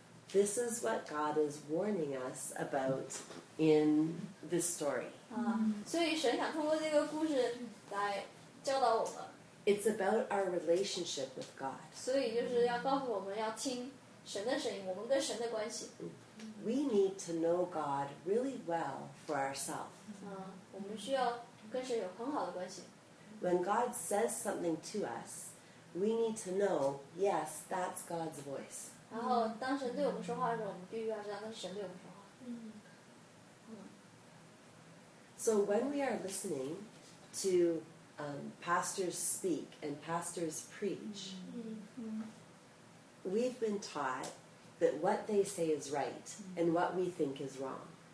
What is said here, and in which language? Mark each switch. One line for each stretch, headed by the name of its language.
English: This is what God is warning us about in this story.
Chinese: 所以神想通过这个故事来教导我们。
English: It's about our relationship with God.
Chinese: 所以就是要告诉我们要听神的声音，我们跟神的关系。
English: We need to know God really well for ourselves.
Chinese: 我们需要跟神有很好的关系。
English: When God says something to us, we need to know, yes, that's God's voice.
Chinese: 然后当神对我们说话的时候，我们必须要知道那是神对我们说话。
English: So when we are listening to pastors speak and pastors preach, we've been taught that what they say is right and what we think is wrong.